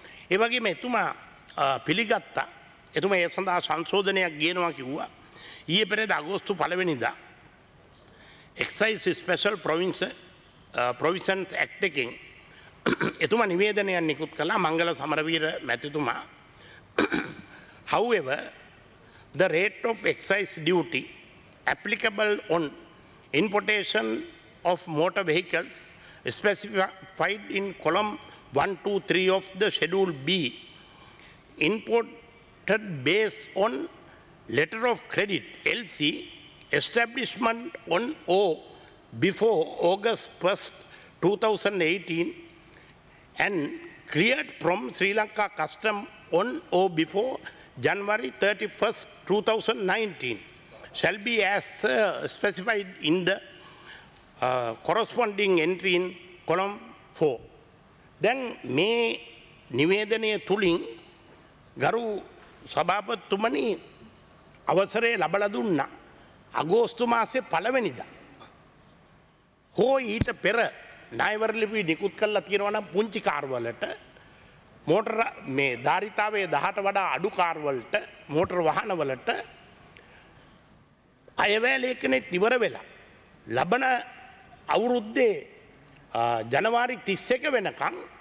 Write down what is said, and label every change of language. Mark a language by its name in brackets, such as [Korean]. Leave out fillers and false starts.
[Sinhala] ඒ වගේම එතුමා පිළිගත්තා. එතුමා ඒ සඳහා සංශෝධනයක් ගේනවා කිව්වා. ඊයේ පෙරේද අගෝස්තු 1 වෙනිදා එක්සයිස් ස්පෙෂල් ප්‍රොවින්සන්ස් ඇක්ට් එකෙන් එතුමා නිවේදනයක් නිකුත් කළා මංගල සමරවීර මැතිතුමා. [English] however the rate of excise duty applicable on importation of motor vehicles specified in column 1 2 3 of the schedule b imported based on letter of credit lc establishment on o before august 1st 2018 and cleared from sri lanka custom on o before January 31st, 2019 shall be as specified in the corresponding entry in column 4. [Sinhala] Then මේ නිවේදනය තුළින් ගරු සභාපතිතුමනි අවසරය ලබලා දුන්නා අගෝස්තු මාසේ 1 වෙනිදා හෝ ඊට පෙර ණයවර ලිපි නිකුත් කළා තියෙනවා නම් පුංචි කාර්වලට මෝටර් මේ ධාරිතාවයේ 10ට වඩා අඩු කාර්වලට මෝටර් වාහනවලට අයවැය ලේඛනෙත් ඉවර වෙලා ලබන අවුරුද්දේ ජනවාරි 31 වෙනකන්